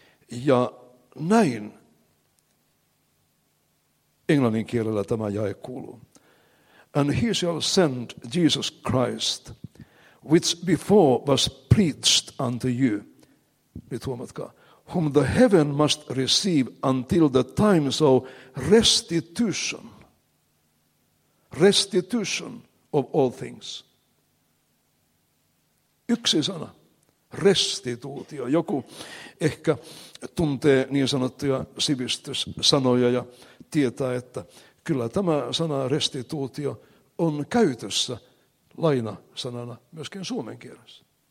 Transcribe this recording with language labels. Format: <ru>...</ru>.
<fi>Ja näin englanninkielellä tämä jae kuuluu.</fi> <en>And he shall send Jesus Christ, which before was preached unto you,</en> <fi>nyt huomatkaa,</fi> <en>whom the heaven must receive until the times of restitution. Restitution of all things.</en> <fi>Yksi sana, restituutio. Joku ehkä tuntee niin sanottuja sivistyssanoja ja tietää, että kyllä tämä sana restituutio on käytössä lainasanana myöskin suomen kielessä.</fi>